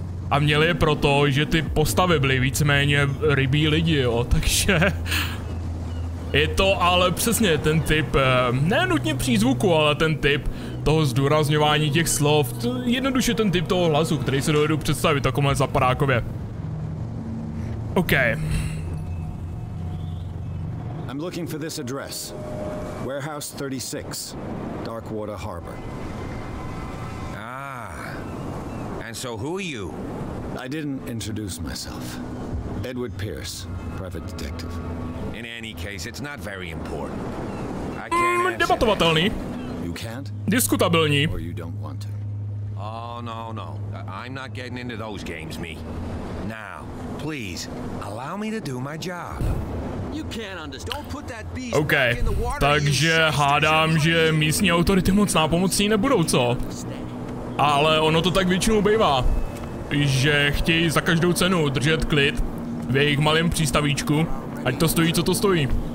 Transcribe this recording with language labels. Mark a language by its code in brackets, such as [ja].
[cs] A měli je proto, že ty postavy byly víceméně rybí lidi, jo, takže... Je to ale přesně ten typ, ne nutně přízvuku, ale ten typ toho zdůrazňování těch slov, jednoduše ten typ toho hlasu, který si dovedu představit takovéhle zapadákově. OK. [en] I'm looking for this address. Warehouse 36, Darkwater Harbor. And so who are you? I didn't introduce myself. Edward Pierce, private detective. In any case, it's not very important. I can't [cs] debatovatelný. [en] You can't? [cs] Diskutabilní. [en] Or you don't want to. Oh, no, no. I'm not getting into those games, me. Now, please, allow me to do my job. You can't understand. Don't put that beast back in the water. Okay. [cs] Takže hádám, že místní autority moc nápomocní nebudou, co? Ale ono to tak většinou bývá, že chtějí za každou cenu držet klid v jejich malém přístavíčku, ať to stojí, co to stojí.